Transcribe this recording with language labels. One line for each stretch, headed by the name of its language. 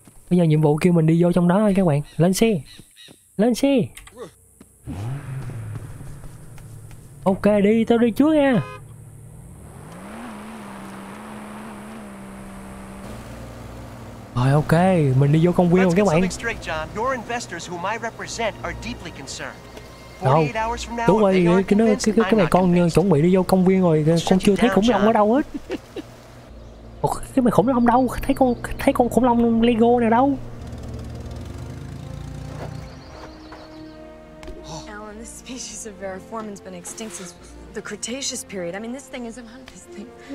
Vietnamese: Bây giờ nhiệm vụ kêu mình đi vô trong đó thôi các bạn. Lên xe. Ok, đi, tao đi trước nha. Rồi ok, mình đi vô công viên các bạn.
English: Your investors whom I represent are deeply concerned.
Vietnamese: Đâu, đúng rồi, cái mày con chuẩn bị đi vô công viên rồi, con chưa thấy khủng long ở đâu hết. Ủa, cái mày khủng long đâu, thấy con khủng long Lego nào đâu.
English: Alan, this species of Veriformin's been extinct since the Cretaceous period. I mean, this thing is a hunter's thing.